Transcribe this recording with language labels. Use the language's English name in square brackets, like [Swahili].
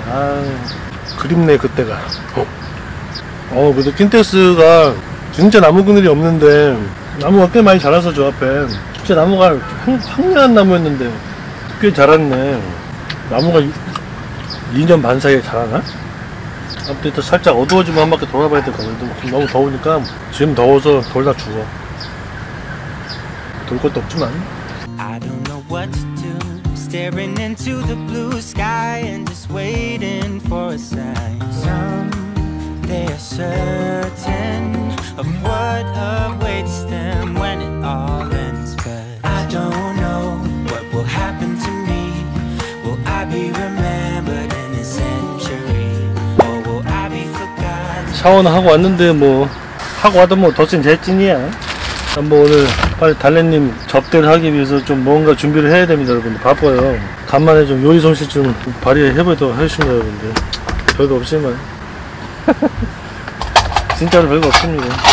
[Korean] 아, 그립네 그때가. 근데 킨테스가 진짜 나무 그늘이 없는데 나무가 꽤 많이 자라서 저 앞에 진짜 나무가 황량한 나무였는데 꽤 자랐네. 나무가 2년 반 사이에 자라나? 아무튼 또 살짝 어두워지면 한 바퀴 돌아봐야 될 것 같아. 너무 더우니까 지금 더워서 돌다 죽어. 돌 것도 없지만. [English] I don't know what to do. Staring into the blue sky and just waiting for a sign. Someday certain of what awaits them when it all ends. But I don't know what will happen to me. Will I be remembered in a century? Or will I be forgotten? [Korean] 샤워는 하고 왔는데 뭐 하고 와도 뭐 덧진 재찐이야. 한번 오늘 빨리 달래님 접대를 하기 위해서 좀 뭔가 준비를 해야 됩니다. 여러분 바빠요. 간만에 좀 요리 솜씨 좀 발휘해보도록 하겠습니다. 여러분들 별거 없지만 진짜로 별거 없습니다.